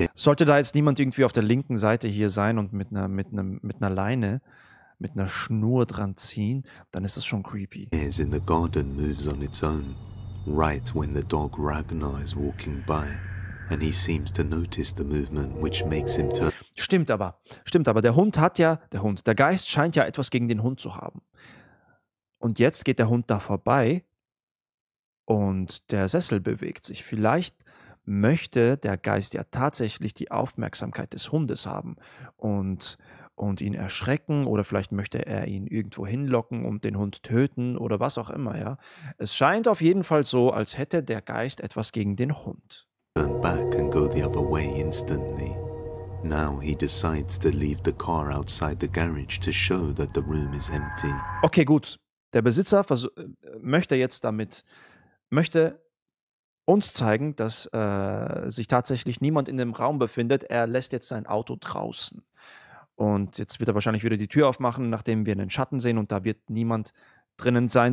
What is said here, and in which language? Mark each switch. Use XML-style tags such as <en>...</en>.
<de>Sollte da jetzt niemand irgendwie auf der linken Seite hier sein und mit einer Leine, mit einer Schnur dran ziehen, dann ist das schon creepy.</de> <en>As in the garden moves on its own, right when the dog Ragnar is walking by, and he seems to notice the movement, which makes him turn.</en> <de>Stimmt aber. Der Geist scheint ja etwas gegen den Hund zu haben. Und jetzt geht der Hund da vorbei und der Sessel bewegt sich. Vielleicht möchte der Geist ja tatsächlich die Aufmerksamkeit des Hundes haben und ihn erschrecken, oder vielleicht möchte er ihn irgendwo hinlocken und den Hund töten oder was auch immer, ja. Es scheint auf jeden Fall so, als hätte der Geist etwas gegen den Hund.</de> <en>Turn back and go the other way instantly. Now he decides to leave the car outside the garage to show that the room is empty.</en> <de>Okay, gut. Der Besitzer möchte uns zeigen, dass sich tatsächlich niemand in dem Raum befindet. Er lässt jetzt sein Auto draußen. Und jetzt wird er wahrscheinlich wieder die Tür aufmachen, nachdem wir einen Schatten sehen und da wird niemand drinnen sein.</de>